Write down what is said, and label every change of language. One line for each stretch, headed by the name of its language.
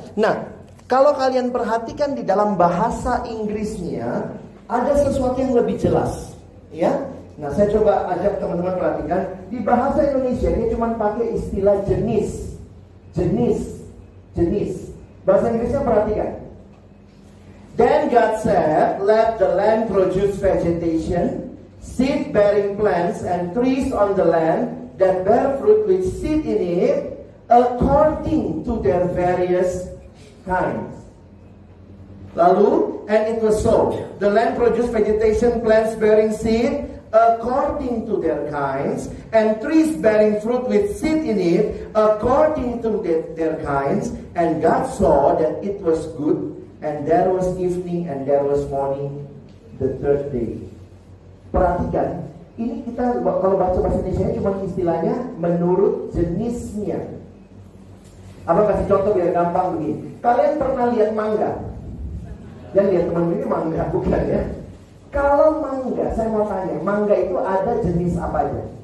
Indonesian: Nah, kalau kalian perhatikan di dalam bahasa Inggrisnya, ada sesuatu yang lebih jelas, ya. Nah, saya coba ajak teman-teman perhatikan. Di bahasa Indonesia dia cuma pakai istilah jenis. Jenis, jenis. Bahasa Inggrisnya perhatikan.
English: Then God said, let the land produce vegetation, seed bearing plants and trees on the land that bear fruit with seed in it, according to their various kinds. Lalu, and it was so. The land produced vegetation, plants bearing seed, according to their kinds, and trees bearing fruit with seed in it, according to their kinds, and God saw that it was good. And there was evening and there was morning, the third day.
Indonesian: Perhatikan, ini kita kalau baca bahasa Indonesia cuma istilahnya menurut jenisnya. Apa kasih contoh biar gampang begini. Kalian pernah lihat mangga? Ya, lihat teman-teman ini mangga, bukan ya? Kalau mangga, saya mau tanya, mangga itu ada jenis apa aja?